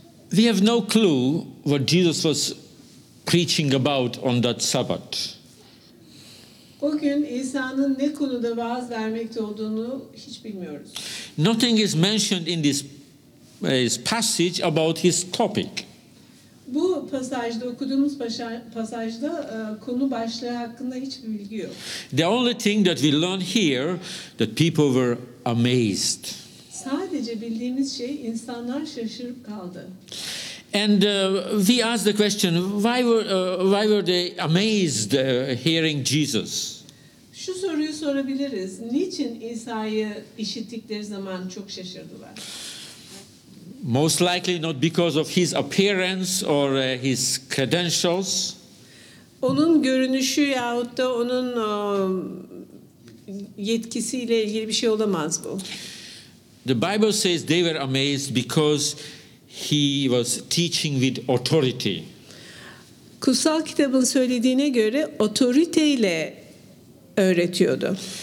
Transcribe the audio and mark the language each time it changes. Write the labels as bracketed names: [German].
[English] We have no clue what Jesus was preaching about on that Sabbath. [Turkish] O gün İsa'nın ne konuda vaaz vermekte olduğunu hiç bilmiyoruz. [English] Nothing is mentioned in this passage about his topic. [Turkish] Bu pasajda, okuduğumuz pasajda konu başlığı hakkında hiçbir bilgi yok. [English] The only thing that we learn here, that people were amazed. [Turkish] Sadece bildiğimiz şey, insanlar şaşırıp kaldı. [English] And we ask the question, why were they amazed hearing Jesus? [Turkish] Şu soruyu sorabiliriz. Niçin İsa'yı işittikleri zaman çok şaşırdılar? [English] Most likely not because of his appearance or his credentials. [Turkish] Onun görünüşü yahut da onun yetkisiyle ilgili bir şey olamaz bu. [English] The Bible says they were amazed because he was teaching with authority. [Turkish] Kutsal kitabın söylediğine göre otoriteyle öğretiyordu.